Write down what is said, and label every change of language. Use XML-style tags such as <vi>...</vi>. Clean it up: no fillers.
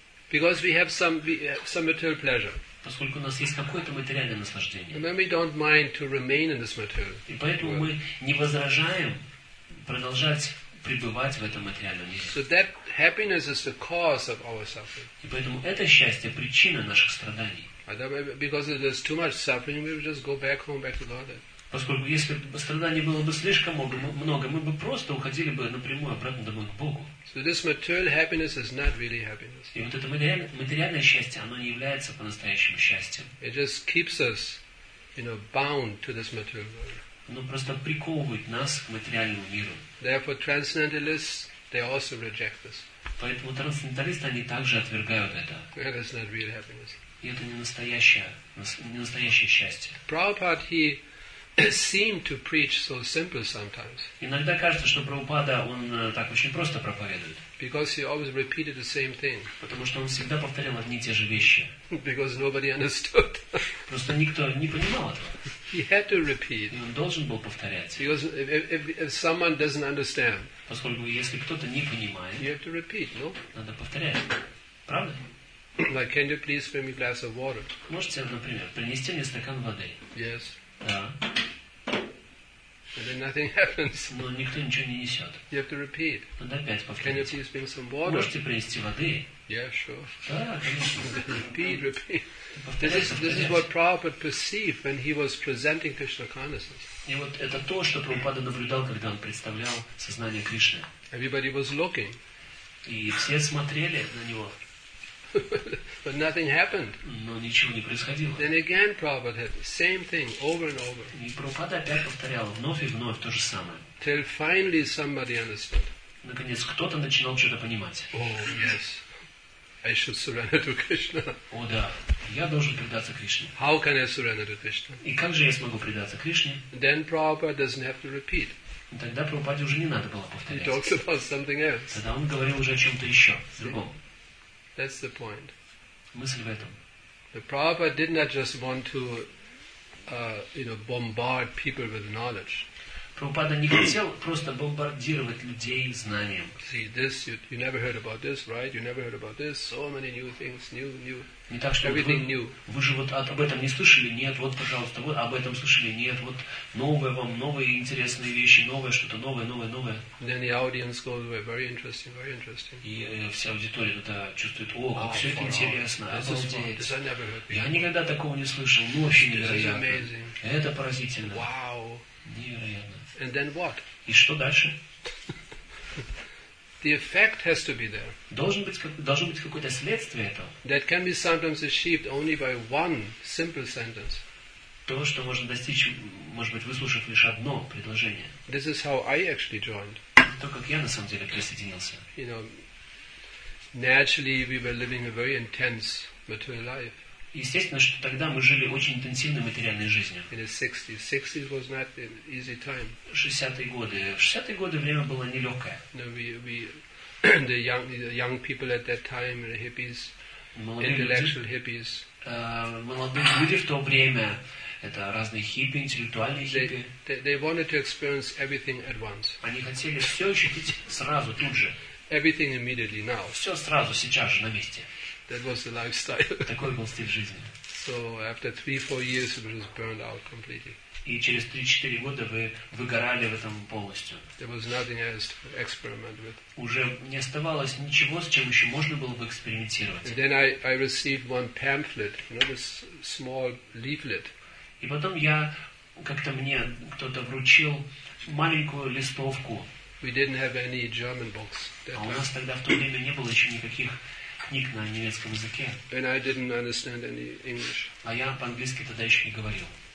<en>Because we have some material pleasure.</en> <ru>Поскольку у нас есть какое-то материальное наслаждение.</ru> <en>And then we don't mind to remain in this material.</en> <ru>И поэтому мы не возражаем продолжать пребывать в этом материальном мире.</ru> <en>So that happiness is the cause of our suffering.</en> <ru>И поэтому это счастье причина наших страданий.</ru> <en>Because if there's too much suffering, we would just go back to God.</en> <ru>Поскольку если бы страданий было бы слишком много, мы бы просто уходили бы напрямую обратно домой к Богу.</ru> <en>So this material happiness is not really happiness.</en> <ru>И вот это материальное счастье, оно не является по-настоящему счастьем.</ru> <en>It just keeps us, you know, bound to this material world.</en> <ru>Оно просто приковывает нас к материальному миру.</ru> <en>Therefore, transcendentalists, they also reject this.</en> <ru>Поэтому трансценденталисты, они также отвергают это.</ru> <en>That is not real happiness.</en> <ru>И это не настоящее счастье.</ru> <en>Prabhupada, seem to preach so simple sometimes.</en> <ru>Иногда кажется, что Прабхупада он так очень просто проповедует.</ru> <en>Because he always repeated the same thing.</en> <ru>Потому что он всегда повторял одни и те же вещи.</ru> <en>Because nobody understood.</en> <ru>Просто никто не понимал этого.</ru> <en>He had to repeat.</en> <ru>И он должен был повторять.</ru> <en>Because if someone doesn't understand.</en> <ru>Поскольку если кто-то не понимает.</ru> <en>You have to repeat, no?</en> <ru>Надо повторять. Правда?</ru> <en>Like, can you please bring me a glass of water?</en> <ru>Можете, например, принести мне стакан воды?</ru> <en>Yes.</en> <ru>Да.</ru> <en>And then nothing happens.</en> <ru>Но никто ничего не несет.</ru> <en>You have to repeat.</en> <ru>Надо опять повторить.</ru> <en>Can you please bring some water?</en> <ru>Можете принести воды?</ru> <en>Yeah, sure.</en> <ru>Да, конечно.</ru> <en>Repeat. This is what Prabhupada perceived when he was presenting Krishna consciousness.</en> <ru>И вот это то, что Прабхупада наблюдал, когда он представлял сознание Кришны.</ru> <en>Everybody was looking.</en> <ru>И все смотрели на него.</ru> <en>But nothing happened.</en> <ru>Но ничего не происходило.</ru> <en>Then again, Prabhupada had the same thing over and over.</en> <ru>И Прабхупада опять повторял вновь и вновь то же самое.</ru> <en>Till finally somebody understood.</en> <ru>Наконец кто-то начинал что-то понимать.</ru> <en>Oh yes, I should surrender to Krishna.</en> <ru>О да, я должен предаться Кришне.</ru> <en>How can I surrender to Krishna?</en> <ru>И как же я смогу предаться Кришне?</ru> <en>Then Prabhupada doesn't have to repeat.</en> <ru>Тогда Прабхупаде уже не надо было повторять.</ru> <en>He talks about something else.</en> <ru>Тогда он говорил уже о чем-то еще, другом.</ru> <en>That's the point.</en> <ru>Мысль в этом.</ru> <en>The Prabhupada did not just want to, bombard people with knowledge.</en> <ru>Прабхупада не хотел просто бомбардировать людей знанием.</ru> <en>See this? You never heard about this, right? You never heard about this. So many new things, new.</en> <ru>Не так, что</ru> <en>everything</en> <ru>вы,</ru> <en>new.</en> <ru>Вы же вот об этом не слышали? Нет, вот, пожалуйста, вот об этом слышали? Нет, вот новое вам, новые интересные вещи, новое что-то, новое.</ru> <en>Then the audience goes away. Very interesting.</en> <ru>И вся аудитория тогда чувствует, о, как все это интересно, обалдеть. Я никогда такого не слышал, ну вообще невероятно. Это поразительно.</ru> <en>Wow.</en> <ru>Невероятно.</ru> <en>And then what?</en> <ru>И что дальше?</ru> <en>The effect has to be there.</en> <ru>Должен быть какое-то следствие этого.</ru> <en>That can be sometimes achieved only by one simple sentence.</en> <ru>То, что можно достичь, может быть, выслушав лишь одно предложение.</ru> <en>This is how I actually joined.</en> <ru>То, как я на самом деле присоединился.</ru> <en>You know, naturally we were living a very intense material life.</en> <ru>Естественно, что тогда мы жили очень интенсивной материальной жизнью.</ru> <en>In the 60s was not an easy time.</en> <ru>60-е годы. 60-е годы время было нелегкое.</ru> <en>No, the young people at that time, the hippies,</en> <ru>молодые</ru> <en>intellectual</en> <ru>люди,</ru> <en>hippies.</en> <ru>Молодые люди в то время, это разные хиппи, интеллектуальные хиппи.</ru> <en>They wanted to experience everything at once.</en> <ru>Они хотели все ощутить сразу, тут же.</ru> <en>Everything immediately now.</en> <ru>Все сразу, сейчас же, на месте.</ru> <en>That was the lifestyle.</en> <ru>Такой был стиль жизни.</ru> <en>So after 3-4 years, it was burned out completely.</en> <ru>И через 3-4 года вы выгорали в этом полностью.</ru> <en>There was nothing else to experiment with.</en> <ru>Уже не оставалось ничего, с чем еще можно было бы экспериментировать.</ru> <en>And then I received one pamphlet, you know, this small leaflet.</en> <ru>И потом я как-то мне кто-то вручил маленькую листовку.</ru> <en>We didn't have any German books.</en> <ru>А у нас тогда в то время не было еще никаких книг на немецком языке.</ru> <en>And I didn't understand any English.</en> <ru>А я по-английски тогда еще не говорил.</ru>